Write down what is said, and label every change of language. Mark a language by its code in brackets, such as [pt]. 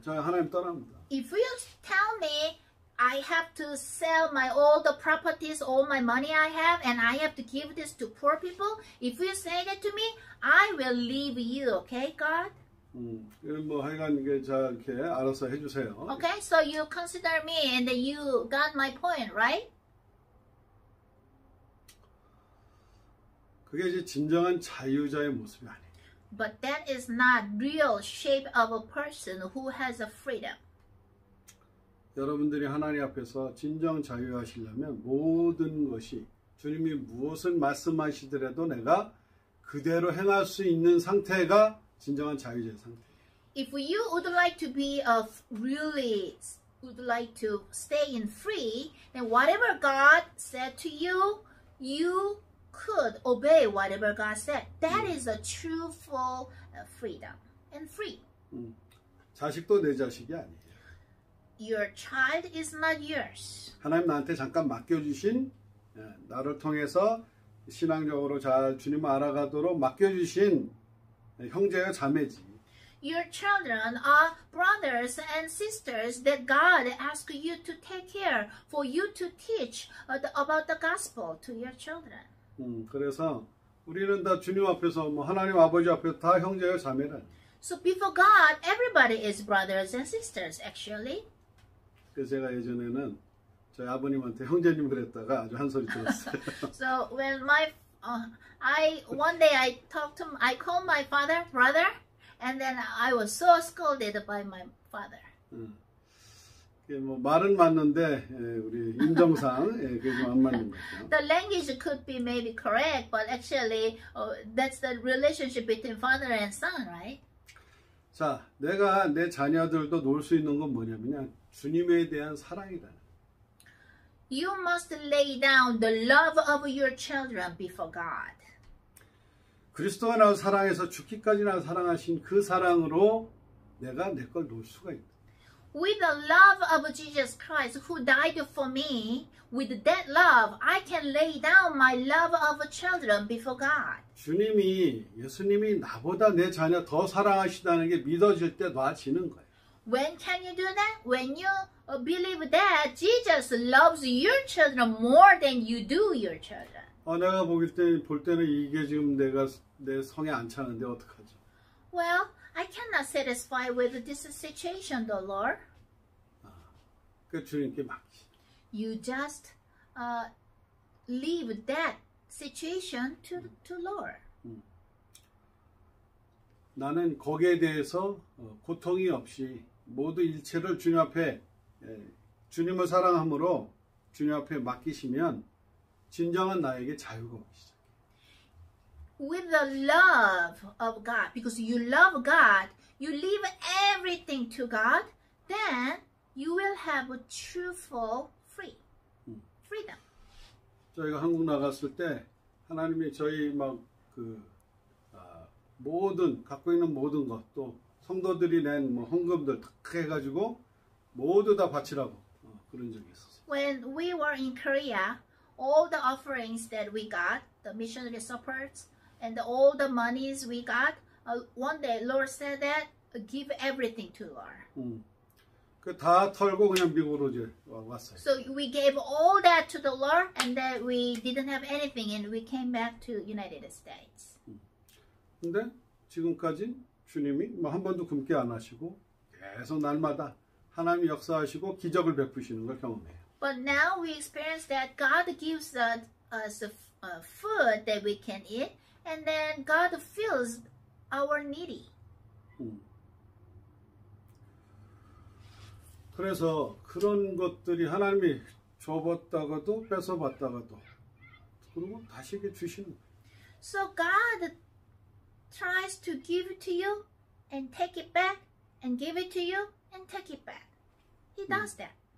[ko] 저 하나님 떠납니다. [en] If you tell me I have to sell my all the properties, all my money I have, and I have to give this to poor people. If you say that to me, I will leave you, okay, God? [ko] 하여간 이게 잘 이렇게 알아서 해주세요. [en] Okay, so you consider me and you got my point, right? [ko] 그게 이제 진정한 자유자의 모습이 아니에요. [en] But that is not real shape of a person who has a freedom. [ko] 여러분들이 하나님 앞에서 진정 자유하시려면 모든 것이 주님이 무엇을 말씀하시더라도 내가 그대로 행할 수 있는 상태가 진정한 자유자의 상태. [en] If you would like to be of really would like to stay in free, then whatever God said to you, you could obey whatever God said. That is a true full freedom and free. [ko] 자식도 내 자식이 아니에요. [en] Your child is not yours. [ko] 하나님 나한테 잠깐 맡겨주신 나를 통해서 신앙적으로 잘 주님 알아가도록 맡겨주신 형제와 자매지. [en] Your children are brothers and sisters that God asks you to take care for you to teach about the gospel to your children. [ko] 그래서 우리는 다 주님 앞에서 하나님 아버지 앞에서 다 형제와 자매라. [en] So before God, everybody is brothers and sisters actually. [ko] 그래서 제가 예전에는 저희 아버님한테 형제님 그랬다가 아주 한 소리 들었어요. [en] So when my I called my father brother, and then I was so scolded by my father. [ko] 말은 맞는데 우리 인정상 그게 좀 안 맞는 거죠. [en] The language could be maybe correct, but actually that's the relationship between father and son, right? [ko] 자, 내가 내 자녀들도 놓을 수 있는 건 뭐냐면요. 주님에 대한 사랑이다. [en] You must lay down the love of your children before God. [ko] 그리스도가 나를 사랑해서 죽기까지 나를 사랑하신 그 사랑으로 내가 내 걸 놓을 수가 있다. [en] With the love of Jesus Christ who died for me, with that love, I can lay down my love of children before God. [ko] 주님이 예수님이 나보다 내 자녀 더 사랑하시다는 게 믿어질 때 놔지는 거예요. [en] When can you do that? When you believe that Jesus loves your children more than you do your children. [ko] 내가 볼 때는 이게 지금 내가 내 성에 안 차는데 어떡하지? [en] Well, I cannot satisfy with this situation, the Lord. [ko] 그 주님께 맡기. [en] You just leave that situation to Lord. [ko] 나는 거기에 대해서 고통이 없이 모두 일체를 주님 앞에 주님을 사랑함으로 주님 앞에 맡기시면 진정한 나에게 자유가 오기 시작해. [en] With the love of God, because you love God, you leave everything to God, then you will have a truthful freedom. [ko] 저희가 한국 나갔을 때 하나님이 저희 막 그 모든 갖고 있는 모든 것도 성도들이 낸 헌금들 다 해가지고 모두 다 바치라고 그런 적이 있었어요. [en] When we were in Korea, all the offerings that we got, the missionary supports, and all the monies we got, one day Lord said that, give everything to Lord. [ko] 그 다 털고 그냥 미국으로 이제 왔어요. [en] So we gave all that to the Lord, and then we didn't have anything, and we came back to United States. [ko] 근데 지금까지 주님이 한 번도 굶게 안 하시고 계속 날마다 하나님이 역사하시고 기적을 베푸시는 걸 경험해요. [en] But now we experience that God gives us food that we can eat and then God fills our needy. [ko] 그래서 그런 것들이 하나님이 줘봤다가도 뺏어봤다가도 그리고 다시 주시는 거예요. [en] So God tries to give it to you and take it back and give it to you and take it back. He does that.